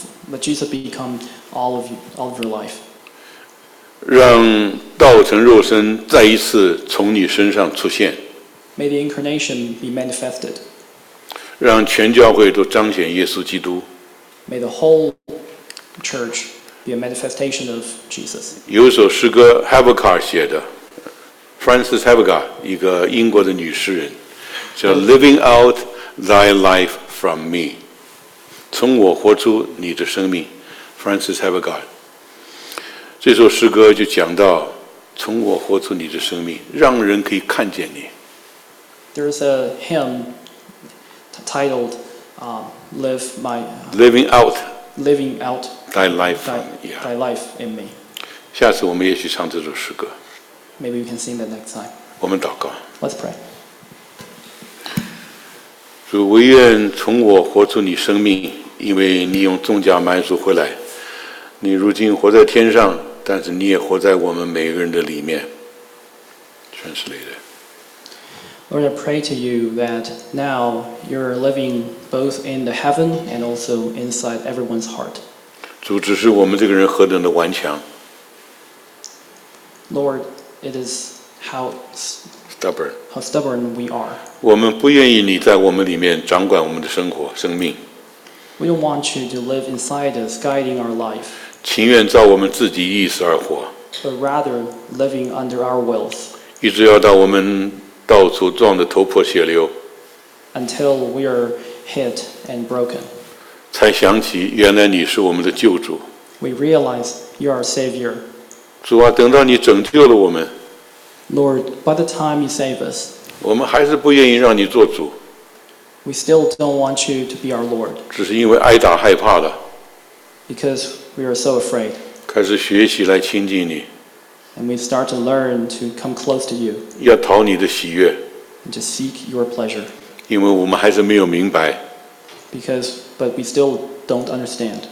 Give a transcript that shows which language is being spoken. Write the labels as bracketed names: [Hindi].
[English] Let Jesus become all of your life. [Chinese] 让道成肉身再一次从你身上出现 [English] May the incarnation be manifested. [Chinese] 让全教会都彰显耶稣基督 [English] May the whole church. Be a manifestation of Jesus. [Chinese] 有一首诗歌 Habakkuk 写的 Frances Habakkuk 一个英国的女诗人叫 [English] Living out thy life from me [Chinese] 从我活出你的生命 Frances Habakkuk 这首诗歌就讲到从我活出你的生命让人可以看见你 [English] There's a hymn titled Living out thy life in me. [Chinese] 下次我们也许唱这首诗歌。 [English] Maybe we can sing that next time. [Chinese] 我们祷告。 [English] Let's pray. [Chinese] 主，我愿从我活出你生命，因为你用重价买赎回来。你如今活在天上，但是你也活在我们每个人的里面。 [English] Translated. Lord, I pray to you that now you're living both in the heaven and also inside everyone's heart. [Chinese] 主，只是我们这个人何等的顽强。 [English] Lord, it is how stubborn. How stubborn we are. [Chinese] 我们不愿意你在我们里面掌管我们的生活、生命。 [English] We don't want you to live inside us, guiding our life. [Chinese] 情愿照我们自己意思而活。 [English] But rather living under our wills. [Chinese] 一直要到我们到处撞得头破血流。 [English] Until we are hit and broken. [Chinese] 才想起原来你是我们的救主。 [English] We realize you are our Savior. [Chinese] 主啊，等到你拯救了我们。 [English] Lord, by the time you save us. [Chinese] 我们还是不愿意让你做主。 [English] We still don't want you to be our Lord. [Chinese] 只是因为挨打害怕了。 [English] Because we are so afraid. [Chinese] 开始学习来亲近你。 [English] And we start to learn to come close to you. [Chinese] 要讨你的喜悦。 [English] And to seek your pleasure. [Chinese] 因为我们还是没有明白。 [English] But we still don't understand.